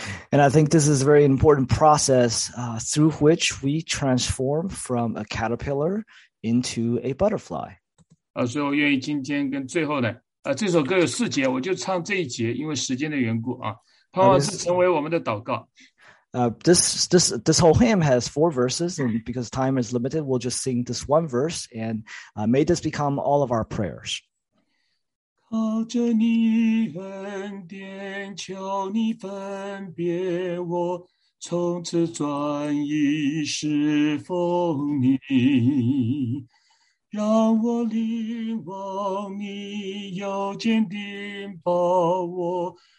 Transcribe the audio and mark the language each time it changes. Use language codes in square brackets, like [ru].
[en] And I think this is a very important process through which we transform from a caterpillar into a butterfly. [zh] 所以我愿意今天跟最后呢，这首歌有四节，我就唱这一节，因为时间的缘故啊。 [en] This whole hymn has four verses, and because time is limited, we'll just sing this one verse, and may this become all of our prayers. [zh] 靠着你恩典，求你分别我，从此转意是否你，让我灵望你，又坚定把握。